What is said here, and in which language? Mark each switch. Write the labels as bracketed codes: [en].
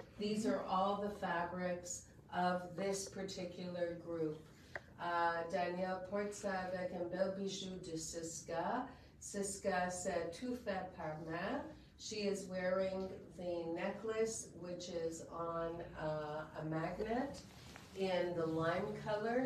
[en] These are all the fabrics of this particular group. [fr] Danielle porte ça avec un bel bijou de Siska. Siska, c'est tout fait par main. [en] She is wearing the necklace, which is on a magnet in the lime color.